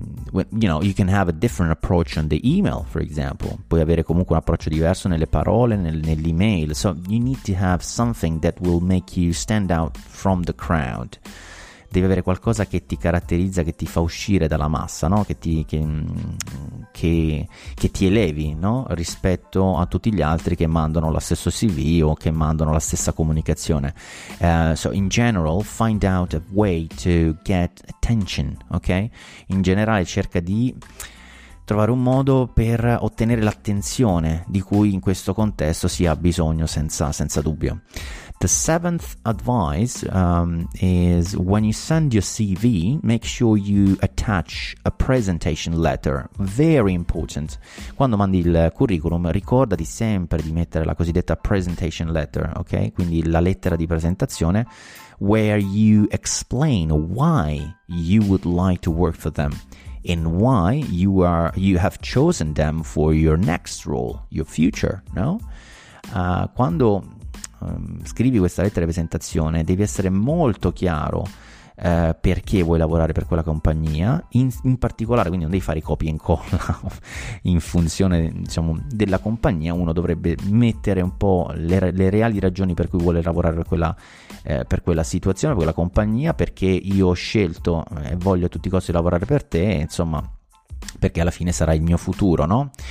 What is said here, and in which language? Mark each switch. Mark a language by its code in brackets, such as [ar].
[en] You can have a different approach on the email, for example. [it] Puoi avere comunque un approccio diverso nelle parole, nell'email. [en] So you need to have something that will make you stand out from the crowd. [it] Devi avere qualcosa che ti caratterizza, che ti fa uscire dalla massa, no? Che ti elevi, no? Rispetto a tutti gli altri che mandano lo stesso CV o che mandano la stessa comunicazione. [en] So in general, find out a way to get attention, ok? [it] In generale cerca di trovare un modo per ottenere l'attenzione di cui in questo contesto si ha bisogno senza dubbio. [en] The seventh advice is when you send your CV, make sure you attach a presentation letter. Very important. [it] Quando mandi il curriculum, ricordati sempre di mettere la cosiddetta presentation letter, ok? Quindi la lettera di presentazione, [en] where you explain why you would like to work for them and why you have chosen them for your next role, your future, no? [it] Quando scrivi questa lettera di presentazione, devi essere molto chiaro perché vuoi lavorare per quella compagnia, in particolare, quindi non devi fare copia e incolla in funzione, diciamo, della compagnia. Uno dovrebbe mettere un po' le reali ragioni per cui vuole lavorare per quella situazione, per quella compagnia, perché io ho scelto e voglio a tutti i costi lavorare per te, insomma, perché alla fine sarà il mio futuro, no?